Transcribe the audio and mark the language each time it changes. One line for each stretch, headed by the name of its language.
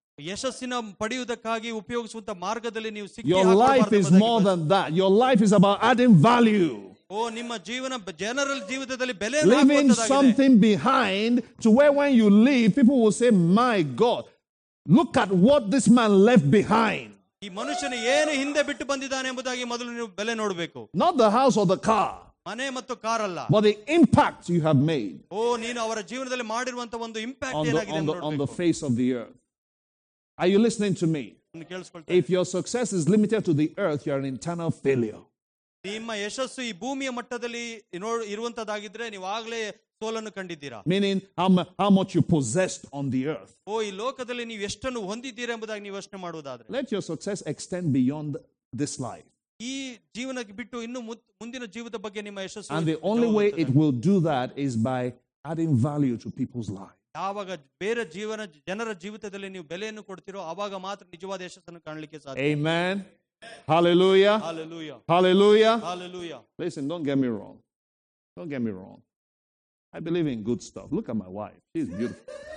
English: Your life is more than that. Your life is about adding value. Leaving something behind to where when you leave, people will say, my God, look at what this man left behind.
Kannada: ಈ ಮನುಷ್ಯನ ಏನು ಹಿಂದೆ ಬಿಟ್ಟು ಬಂದಿದ್ದಾನೆ ಎಂಬುದಾಗಿ ಮೊದಲು ನೀವು ಬೆಲೆ ನೋಡಬೇಕು.
English: Not the house or the car.
Kannada: ಮನೆ ಮತ್ತು ಕಾರ್ ಅಲ್ಲ.
English: But the impact you have made.
Kannada: ಓ ನೀನು ಅವರ ಜೀವನದಲ್ಲಿ ಮಾಡಿರುವಂತ ಒಂದು ಇಂಪ್ಯಾಕ್ಟ್ ಏನಾಗಿದೆ ಅಂತ ನೋಡಬೇಕು.
English: On the face of the earth. Are you listening to me? If your success is limited to the earth, you are an internal failure.
Kannada: ನಿಮ್ಮ ಯಶಸ್ಸು ಈ ಭೂಮಿಯ ಮಟ್ಟದಲ್ಲಿ ಇರುವಂತದಾಗಿದ್ರೆ ನೀವು ಆಗಲೇ ಸೋಲನ್ನು ಕಂಡಿದ್ದೀರಾ.
English: Meaning how much you possessed on the earth.
Kannada: ಓ ಈ ಲೋಕದಲ್ಲಿ ನೀವು ಎಷ್ಟನ್ನು ಹೊಂದಿದ್ದೀರಾ ಎಂಬುದಾಗಿ ನೀವು ಯೋಚನೆ ಮಾಡುವುದಾದ್ರೆ.
English: Let your success extend beyond this life.
Kannada: ಈ ಜೀವನಕ್ಕೆ ಬಿಟ್ಟು ಇನ್ನು ಮುಂದಿನ ಜೀವದ ಬಗ್ಗೆ ನಿಮ್ಮ ಯಶಸ್ಸು.
English: And the only way it will do that is by adding value to people's lives.
Kannada: ಯಾವಾಗ ಬೇರೆ ಜೀವನ ಜನರ ಜೀವಿತದಲ್ಲಿ ನೀವು ಬೆಲೆಯನ್ನು ಕೊಡ್ತೀರೋ ಅವಾಗ ಮಾತ್ರ ನಿಜವಾದ ಯಶಸ್ಸನ್ನು ಕಾಣಲಿಕ್ಕೆ ಸಾಧ್ಯ.
English: Amen. Hallelujah. Hallelujah. Hallelujah. Hallelujah. Listen, don't get me wrong. Don't get me wrong. I believe in good stuff. Look at my wife. She's beautiful.